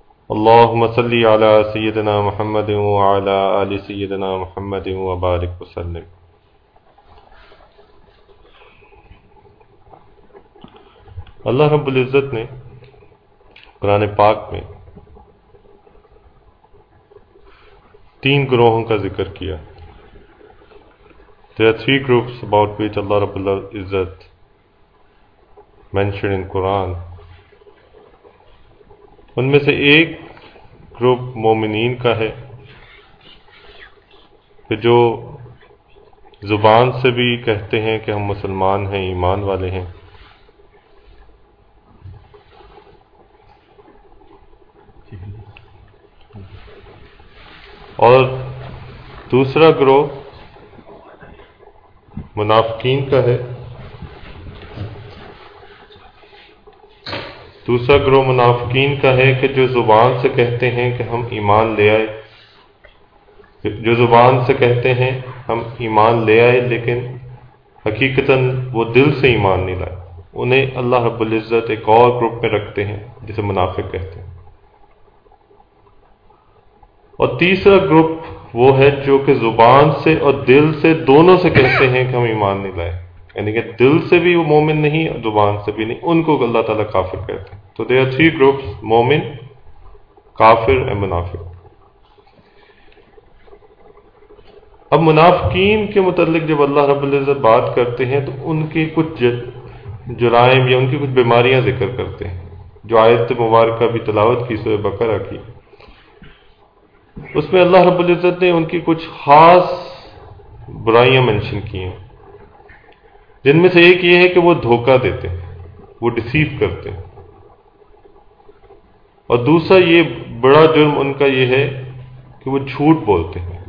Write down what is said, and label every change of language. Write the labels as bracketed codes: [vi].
[ar] اللهم صل على سيدنا محمد وعلى آل سيدنا محمد وبارك وسلم [ur] اللہ رب العزت نے قرآن پاک میں تین گروہوں کا ذکر کیا. [en] There are three groups about which Allah Rabbul Izzat mentioned in Quran. [ur] ان میں سے ایک گروپ مومنین کا ہے کہ جو زبان سے بھی کہتے ہیں کہ ہم مسلمان ہیں, ایمان والے ہیں, اور دوسرا گروہ منافقین کا ہے. دوسرا گروہ منافقین کا ہے کہ جو زبان سے کہتے ہیں کہ ہم ایمان لے آئے, جو زبان سے کہتے ہیں ہم ایمان لے آئے لیکن حقیقتاً وہ دل سے ایمان نہیں لائے, انہیں اللہ رب العزت ایک اور گروپ میں رکھتے ہیں جسے منافق کہتے ہیں. اور تیسرا گروپ وہ ہے جو کہ زبان سے اور دل سے دونوں سے کہتے ہیں کہ ہم ایمان نہیں لائے, یعنی کہ دل سے بھی وہ مومن نہیں اور زبان سے بھی نہیں, ان کو اللہ تعالیٰ کافر کہتے ہیں. [en] تو they are three groups, مومن, کافر اینڈ منافق. [ur] اب منافقین کے متعلق جب اللہ رب العزت بات کرتے ہیں تو ان کے کچھ جرائم یا ان کی کچھ بیماریاں ذکر کرتے ہیں, جو آیت مبارکہ بھی تلاوت کی سورہ بقرہ کی, اس میں اللہ رب العزت نے ان کی کچھ خاص برائیاں مینشن کی ہیں, جن میں سے ایک یہ ہے کہ وہ دھوکہ دیتے ہیں, وہ ڈیسیو کرتے ہیں, اور دوسرا یہ بڑا جرم ان کا یہ ہے کہ وہ جھوٹ بولتے ہیں.